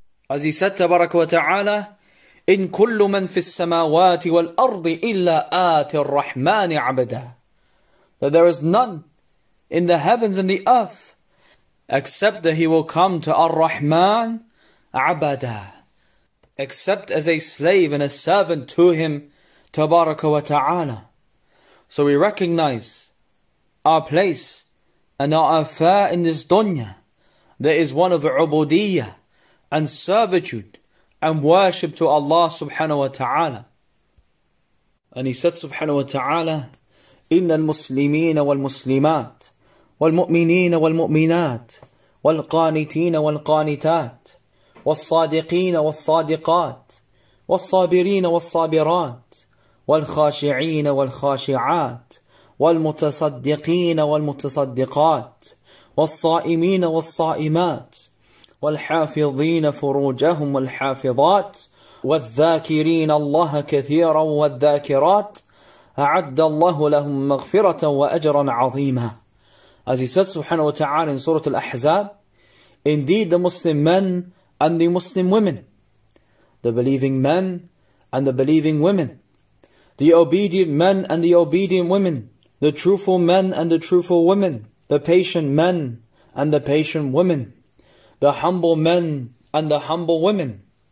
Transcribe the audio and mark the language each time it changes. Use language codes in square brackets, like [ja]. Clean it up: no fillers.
[en] As He said tabaraka wa ta'ala, in kullu man fis samawati wal ardi illa ati ar-rahmani abada, that there is none in the heavens and the earth except that He will come to Ar-Rahman Abada, except as a slave and a servant to Him, Tabaraka wa Ta'ala. So we recognize our place and our affair in this dunya that is one of ubudiyyah and servitude and worship to Allah subhanahu wa ta'ala. And He said subhanahu wa ta'ala, [ar] إِنَّ الْمُسْلِمِينَ وَالْمُسْلِمَاتِ والمؤمنين والمؤمنات والقانتين والقانتات والصادقين والصادقات والصابرين والصابرات والخاشعين والخاشعات والمتصدقين والمتصدقات والصائمين والصائمات والحافظين فروجهم والحافظات والذاكرين الله كثيرا والذاكرات أعد الله لهم مغفرة وأجرا عظيما. [en] As He said subhanahu wa ta'ala in Surah Al-Ahzab, indeed the Muslim men and the Muslim women, the believing men and the believing women, the obedient men and the obedient women, the truthful men and the truthful women, the patient men and the patient women, the humble men and the humble women,